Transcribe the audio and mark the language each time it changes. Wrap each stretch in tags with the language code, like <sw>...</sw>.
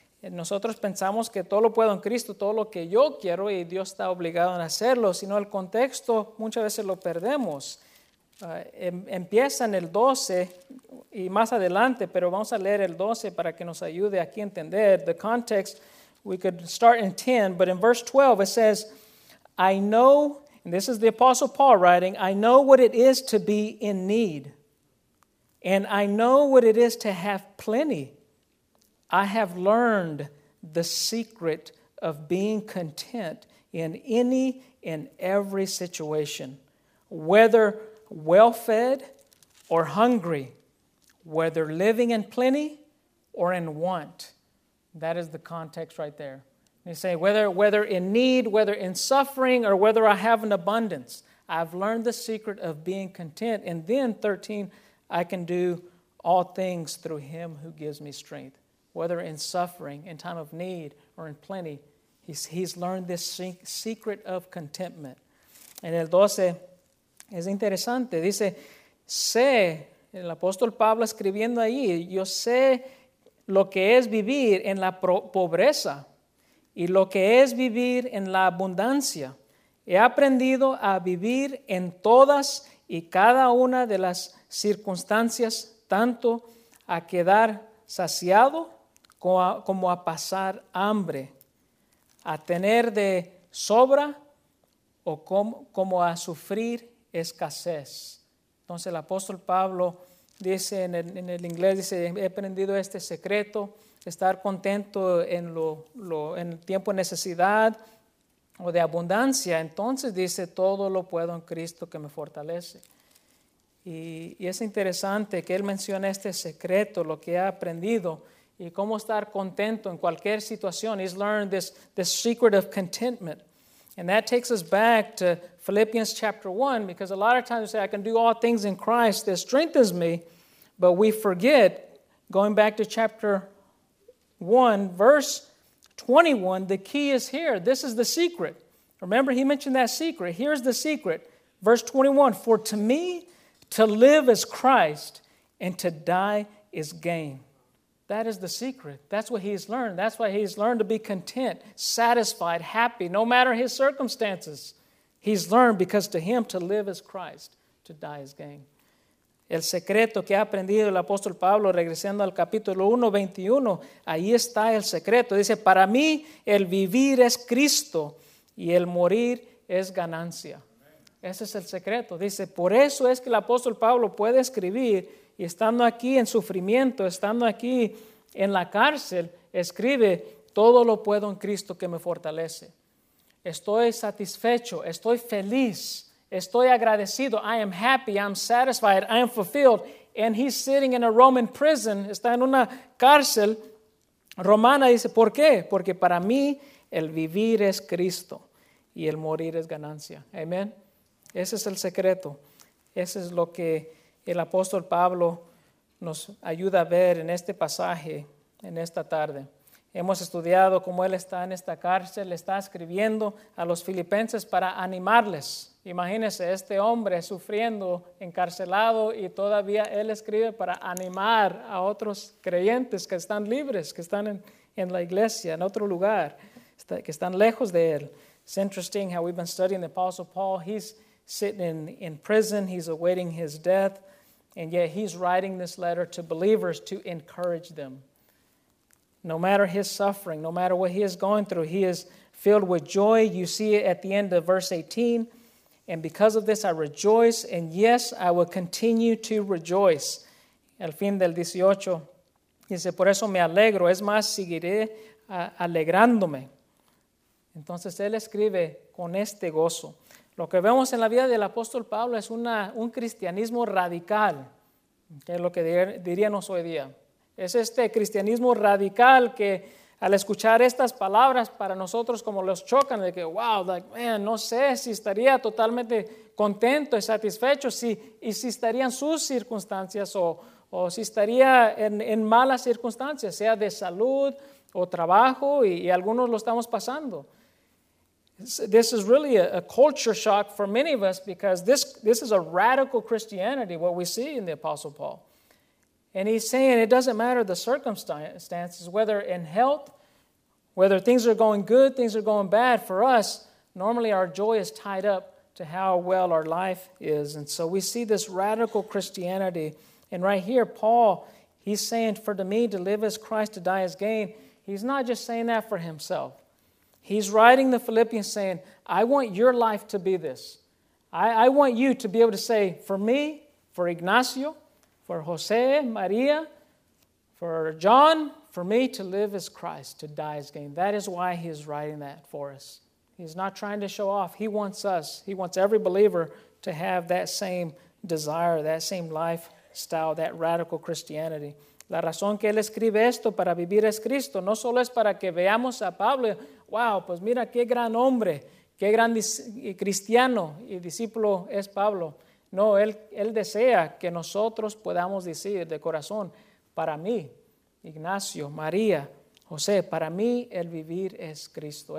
<es>Nosotros pensamos que todo lo puedo en Cristo, todo lo que yo quiero, y Dios está obligado a hacerlo. Sino el contexto muchas veces lo perdemos. Empieza en el 12 y más adelante, pero vamos a leer el 12 para que nos ayude aquí a entender</es> <en>the context. We could start in 10, but in verse 12 it says, I know, and this is the Apostle Paul writing, I know what it is to be in need, and I know what it is to have plenty. I have learned the secret of being content in any and every situation, whether well-fed or hungry, whether living in plenty or in want. That is the context right there. You say, whether in need, whether in suffering, or whether I have an abundance, I've learned the secret of being content. And then 13, I can do all things through him who gives me strength. Whether in suffering, in time of need, or in plenty, he's learned this secret of contentment.</en> <es>En el 12, es interesante. Dice, sé, el apóstol Pablo escribiendo ahí, yo sé lo que es vivir en la pobreza y lo que es vivir en la abundancia. He aprendido a vivir en todas y cada una de las circunstancias, tanto a quedar saciado como a pasar hambre, a tener de sobra o como a sufrir escasez. Entonces el apóstol Pablo dice en el inglés, dice, he aprendido este secreto, estar contento en el tiempo de necesidad o de abundancia. Entonces dice, todo lo puedo en Cristo que me fortalece. Y es interesante que él menciona este secreto, lo que ha aprendido, y cómo estar contento en cualquier situación.</es> <en>He's learned this secret of contentment. And that takes us back to Philippians chapter 1, because a lot of times we say, I can do all things in Christ that strengthens me, but we forget, going back to chapter 1, verse 21, the key is here. This is the secret. Remember, he mentioned that secret. Here's the secret. Verse 21, for to me, to live is Christ, and to die is gain. That is the secret. That's what he's learned. That's why he's learned to be content, satisfied, happy, no matter his circumstances. He's learned because to him, to live is Christ, to die is gain.</en> <es>El secreto que ha aprendido el apóstol Pablo, regresando al capítulo 1, 21, ahí está el secreto. Dice, para mí, el vivir es Cristo y el morir es ganancia. Amen. Ese es el secreto. Dice, por eso es que el apóstol Pablo puede escribir, y estando aquí en sufrimiento, estando aquí en la cárcel, escribe, todo lo puedo en Cristo que me fortalece. Estoy satisfecho, estoy feliz, estoy agradecido.</es> <en>I am happy, I'm satisfied, I am fulfilled. And he's sitting in a Roman prison,</en> <es>está en una cárcel romana. Dice, ¿por qué? Porque para mí el vivir es Cristo y el morir es ganancia. Amén. Ese es el secreto. Ese es lo que el apóstol Pablo nos ayuda a ver en este pasaje, en esta tarde. Hemos estudiado cómo él está en esta cárcel, está escribiendo a los filipenses para animarles. Imagínense, este hombre sufriendo, encarcelado, y todavía él escribe para animar a otros creyentes que están libres, que están en la iglesia, en otro lugar, que están lejos de él.</es> <en>It's interesting how we've been studying the Apostle Paul. He's sitting in prison, he's awaiting his death, and yet he's writing this letter to believers to encourage them. No matter his suffering, no matter what he is going through, he is filled with joy. You see it at the end of verse 18. And because of this, I rejoice. And yes, I will continue to rejoice.</en> <es>Al fin del 18, dice, por eso me alegro. Es más, seguiré alegrándome. Entonces él escribe con este gozo. Lo que vemos en la vida del apóstol Pablo es un cristianismo radical, que es lo que diríamos hoy día. Es este cristianismo radical que al escuchar estas palabras para nosotros como los chocan, de que</es> <en>wow, like, man,</en> <es>no sé si estaría totalmente contento y satisfecho si, y si estarían sus circunstancias o si estaría en malas circunstancias, sea de salud o trabajo, y algunos lo estamos pasando.</es> <en>This is really a culture shock for many of us because this is a radical Christianity, what we see in the Apostle Paul. And he's saying it doesn't matter the circumstances, whether in health, whether things are going good, things are going bad. For us, normally our joy is tied up to how well our life is. And so we see this radical Christianity. And right here, Paul, he's saying, for me to live as Christ, to die as gain. He's not just saying that for himself. He's writing the Philippians saying, I want your life to be this. I want you to be able to say, for me, for Ignacio, for Jose, Maria, for John, for me to live as Christ, to die as gain. That is why he is writing that for us. He's not trying to show off. He wants us, he wants every believer to have that same desire, that same lifestyle, that radical Christianity.</en> <es>La razón que él escribe esto para vivir es Cristo. No solo es para que veamos a Pablo. Wow, pues mira qué gran hombre, qué gran cristiano y discípulo es Pablo. No, él desea que nosotros podamos decir de corazón, para mí, Ignacio, María, José, para mí el vivir es Cristo.</es>